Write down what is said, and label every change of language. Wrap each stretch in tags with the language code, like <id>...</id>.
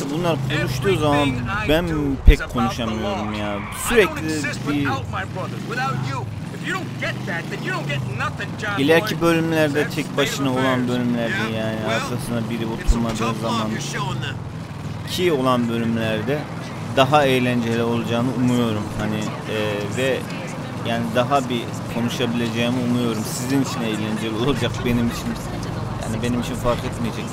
<tr>Nedense bunlar konuştuğu zaman ben pek konuşamıyorum ya. Sürekli</tr> <en>I don't exist without my brothers, without you. You don't get that, then you don't get nothing, John.</en> <tr>İleriki bölümlerde tek başına olan bölümlerde yani arkasına biri oturmadığı zaman ki olan bölümlerde daha eğlenceli olacağını umuyorum. Hani ve yani daha bir konuşabileceğimi umuyorum. Sizin için eğlenceli olacak, benim için yani benim için fark etmeyecek.</tr>